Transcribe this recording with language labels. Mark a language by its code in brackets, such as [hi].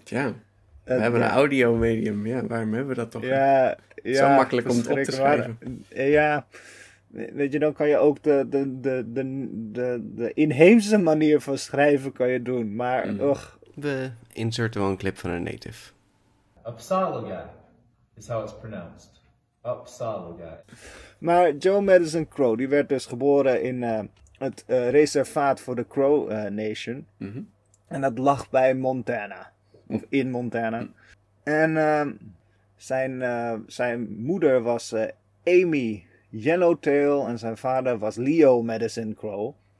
[nl] Ja, we hebben een audio medium. Ja, waarom hebben we dat toch? Ja, zo makkelijk om het op te schrijven. Ja, weet je, dan kan je ook de inheemse manier van schrijven kan je doen. Maar, We inserten wel een clip van een native. [en] Upsaliga is how it's pronounced. [cro] Upsaliga. [nl] Maar Joe Madison Crow, die werd dus geboren in het reservaat voor de Crow Nation. Mm-hmm. En dat lag bij Montana. Of in Montana. Mm-hmm. En zijn moeder was Amy Yellowtail en zijn vader was Leo Madison Crow.